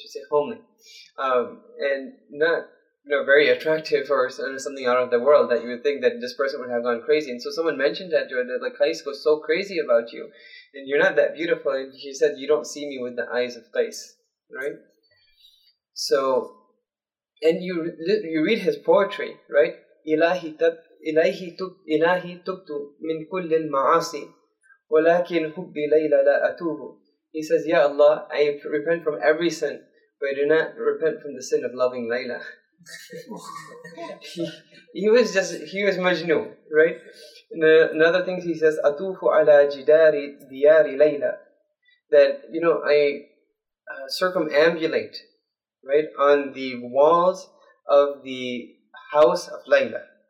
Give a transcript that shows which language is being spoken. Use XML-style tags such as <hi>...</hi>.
<en>Homely. And not, you know, very attractive or something out of the world that you would think that this person would have gone crazy. And so someone mentioned that to her, that like, Qais was so crazy about you, and you're not that beautiful. And she said, you don't see me with the eyes of Qais, right? So, and you read his poetry, right?</en> <ar>إلهي تبت من كل المعاصي ولكن حب ليلى لا أتوه.</ar> <en>He says, Ya Allah, I repent from every sin, but I do not repent from the sin of loving Layla. he was Majnun, right? Another thing he says,</en> <ar>Atufu ala jidari diyari Layla,</ar> <en>that, you know, I circumambulate, right, on the walls of the house of Layla.</en>